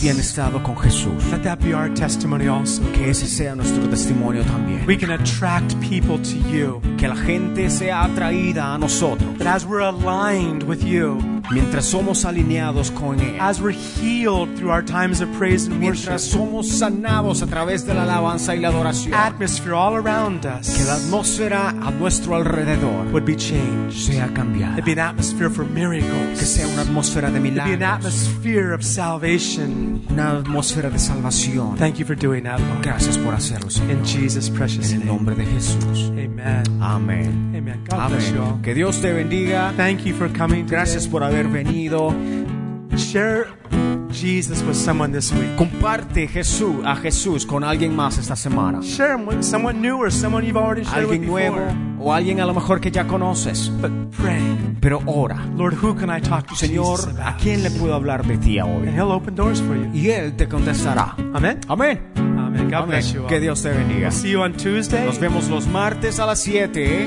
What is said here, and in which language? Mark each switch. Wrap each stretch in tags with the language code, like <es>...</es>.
<es>Habían estado con Jesús.</es> <en>Let that be our testimony also.</en> <es>Que ese sea nuestro testimonio también.</es> <en>We can attract people to you.</en> <es>Que la gente sea atraída a nosotros.</es> <en>But as we're aligned with you.</en> <es>Mientras somos alineados con él.</es> <en>As we're healed through our times of praise and</en> <es>mientras</es> <en>worship.</en> <es>Mientras somos sanados a través de la alabanza y la adoración.</es> <en>Atmosphere all around us.</en> <es>Que la atmósfera a nuestro alrededor</es> <en>would be changed.</en> <es>Sea cambiada.</es> <en>It'd be an atmosphere for miracles.</en> <es>Que sea una atmósfera de milagros.</es> <en>It'd be an atmosphere of salvation.</en> <es>Una atmósfera de salvación.</es> <en>Thank you for doing that, Lord.</en> <es>Gracias por hacerlo, Señor.</es> <en>In Jesus' precious name.</en> <es>En el nombre de Jesús.</es> <en>Amen.</en> <es>Amén.</es> <en>Amen. God bless you all.</en> <es>Que Dios te bendiga.</es> <en>Thank you for coming.</en> <es>Gracias</es> <en>today.</en> <es>Por haber venido.</es> <en>Share Jesus with someone this week.</en> <es>Comparte Jesús a Jesús con alguien más esta semana.</es> <en>Share him with someone new or someone you've already shared</en> <es>alguien</es> <en>with before.</en> <es>Nuevo. O alguien a lo mejor que ya conoces.</es> <en>But pray.</en> <es>Pero ora.</es> <en>Lord, who can I talk to</en> <es>Señor,</es> <en>Jesus about?</en> <es>¿A quién le puedo hablar de ti hoy?</es> <en>And he'll open doors for you.</en> <es>Y él te contestará.</es> <en>Amen.</en> <es>Amen.</es> <en>Amen. God</en> <es>Amen.</es> <en>Bless you all.</en> <es>Que Dios te bendiga.</es> <en>We'll see you on Tuesday.</en> <es>Nos vemos los martes a las 7.</es>